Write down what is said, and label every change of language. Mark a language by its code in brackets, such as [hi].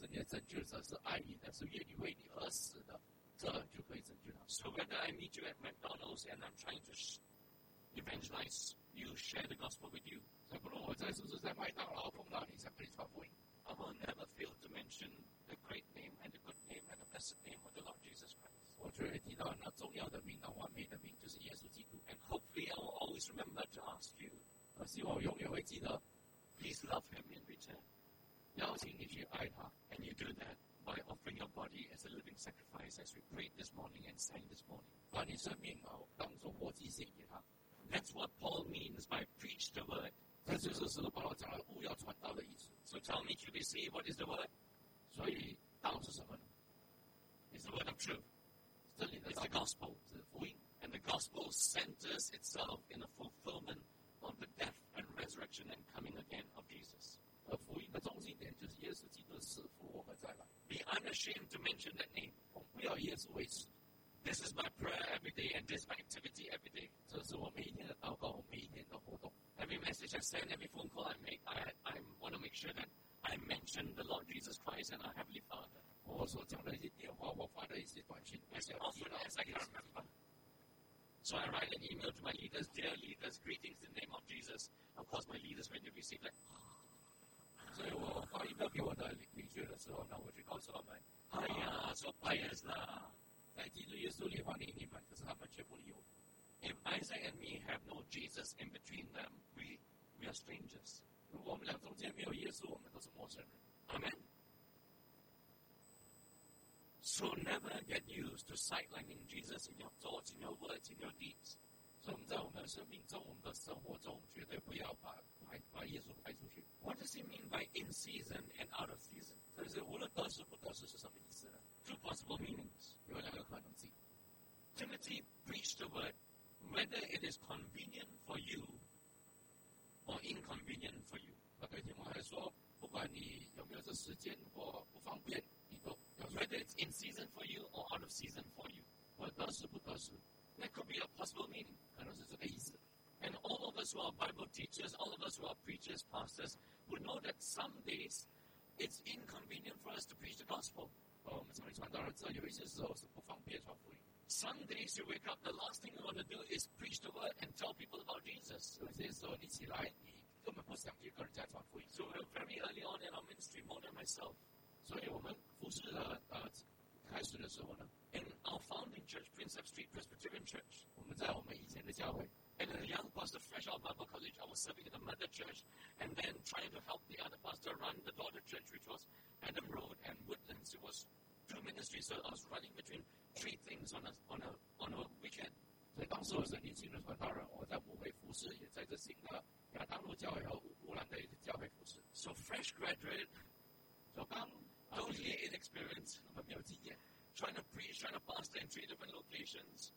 [zh] 拯救者是爱你的，是愿意为你而死的，这就可以拯救他。 [en] So whether I meet you at McDonald's and I'm trying to evangelize you, share the gospel with you, [zh] 所以不论我在是不是在麦当劳碰到你，想跟你传福音。 [en] I will never fail to mention the great name and the good name and the blessed name of the Lord Jesus Christ. [zh] 我就会提到那重要的名，那完美的名，就是耶稣基督。 [en] And hopefully, I will always remember to ask you. [zh] 我希望我永远会记得。 [en] Please love him in return. [zh] 邀请你去爱他。 [en] And you do that by offering your body as a living sacrifice, as we prayed this morning and sang this morning. [zh] 把你生命啊当做活祭献给他。 [en] That's what Paul means by preach the word. [zh] 这就是使徒保罗讲了务要传道的意思。 [en] So tell me, to be see what is the word? [zh] 所以道是什么呢 [en] ？It's the word of truth. [zh] 这里的 [en] It's the gospel, [zh] 是福音。 [en] And the gospel centers itself in the fulfillment of the death and resurrection and coming again of Jesus. [zh] 而福音的中心点就是耶稣基督的死、复活和再来。 [en] Be unashamed to mention that name. [zh] 我不要耶稣为耻。 [en] This is my prayer every day, and this is my activity every day. [zh] 这是我每一天的祷告，我每一天的活动。 [en] Every message I send, every phone call I make, I want to make sure that I mention the Lord Jesus Christ and our Heavenly Father. [zh] 我所讲的一些电话，我发的一些短信 [en] ，as often as I can remember. So I write an email to my leaders, dear leaders, greetings in the name of Jesus. Of course, my leaders when they receive that. [zh] 所以我发 email 给我的领袖的时候，那我就告诉他们，哎呀，说拜耶稣啦，在基督耶稣里欢迎你们，可是他们却不理我。 [en] If Isaac and me have no Jesus in between them, we are strangers. [zh] 如果我们俩中间没有耶稣，我们都是陌生人。 [en] Amen. So never get used to sidelining Jesus in your thoughts, in your words, in your deeds. [zh] 所以我们在我们的生命中，我们的生活中，绝对不要把耶稣排出去。 [en] What does it mean by in season and out of season? [zh] 这是无论得时不得时是什么意思呢 [en] ？Two possible meanings. [zh] 有两个可能性。 [en] Timothy preached the word. Whether it is convenient for you or inconvenient for you. [zh] 那对提摩太说，不管你有没有这时间或不方便，你都要。 [en] Whether it's in season for you or out of season for you. [zh] 或得时不得时。 [en] That could be a possible meaning. [zh] 可能是这个意思。 [en] And all of us who are Bible teachers, all of us who are preachers, pastors, would know that some days it's inconvenient for us to preach the gospel. [zh] 我们成为传道人之后，有一些时候是不方便传福音。 [en] Some days you wake up, the last thing you want to do is preach the word and tell people about Jesus. So very early on in our ministry, Mona and myself, in our founding church, Prinsep Street Presbyterian Church, and as a young pastor fresh out of Bible college, I was serving in the mother church and then trying to help the other pastor run the daughter church, which was Adam Road and Woodlands. It was two ministries, so I was running between three things on a weekend. [zh] 所以当时我是年轻的传道人，我在母会服事，也在这新的亚当路教会和乌兰的教会服事。 [en] So fresh graduate, [zh] so 刚 [en] totally inexperienced, [zh] 那么没有经验 [en] ，trying to preach, trying to pastor in three different locations,